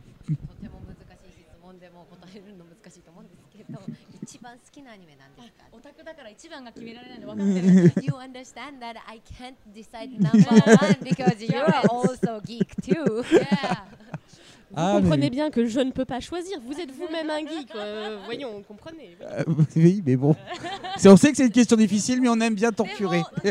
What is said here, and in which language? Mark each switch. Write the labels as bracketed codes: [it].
[ja] とても難しい質問でも答えるの難しいと思うんですけど、一番好きなアニメなんですか？オタクだから一番が決められないの分かってる。 [en] You understand that I can't decide number one because you're also geek too. Yeah. [fr] Ah, vous comprenez bien que je ne peux pas choisir. Vous êtes vous-même un geek. Voyons, comprenez. Oui, mais bon. C'est, on sait que c'est une question difficile, mais on aime bien torturer.